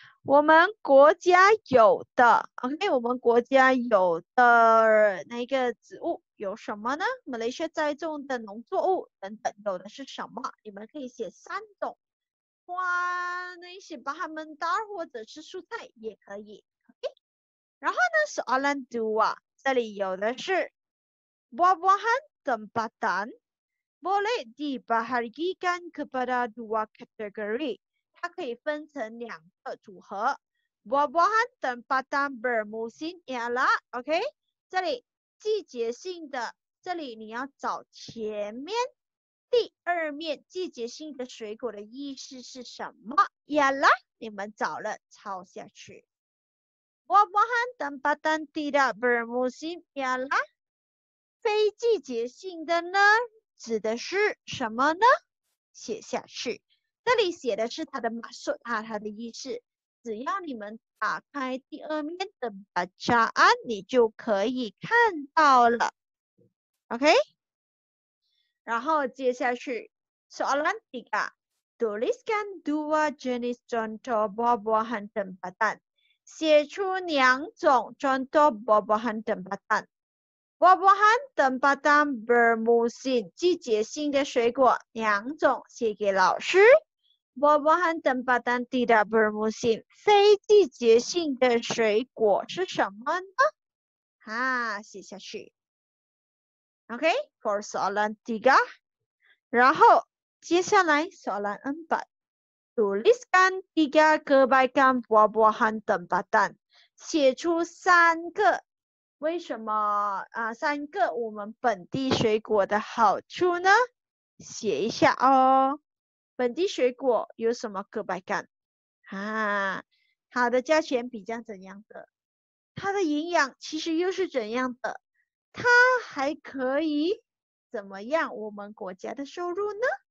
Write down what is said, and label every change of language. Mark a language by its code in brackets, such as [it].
[zh] 我们国家有的 ，OK， 我们国家有的那个植物有什么呢 ？Malaysia 栽种的农作物等等，有的是什么？你们可以写三种。花那些把它们搭或者是蔬菜也可以、okay? 然后呢 soalan dua 这里有的是 [ms] buah-buahan tempatan boleh dibahagikan kepada dua kategori， [zh] 它可以分成两个组合。 [ms] buah-buahan tempatan bermusim ialah [zh] OK， 这里季节性的，这里你要找前面第二面季节性的水果的意思是什么？呀啦，你们找了，抄下去。 [ms] Buah-buahan tempatan tidak bermusim ialah， [zh] 非季节性的呢，指的是什么呢？写下去。这里写的是它的maksud，它的意思。只要你们打开第二面的bacaan，你就可以看到了。 OK。 [ms] 然后接下去 soalan tiga， tuliskan dua jenis contoh buah-buahan tempatan， [zh] 写出两种 [ms] contoh buah-buahan tempatan。 buah-buahan tempatan bermusim， [zh] 季节性的水果两种，写给老师。 [ms] buah-buahan tempatan tidak bermusim， [zh] 非季节性的水果是什么呢？啊，写下去。 OK， for soalan tiga， 然后接下来 soalan empat， [ms] tuliskan tiga kebaikan buah-buahan tempatan， [zh] 写出三个为什么啊？三个我们本地水果的好处呢？写一下哦，本地水果有什么kebaikan啊？它的价钱比较怎样的？它的营养其实又是怎样的？它还可以怎么样我们国家的收入呢？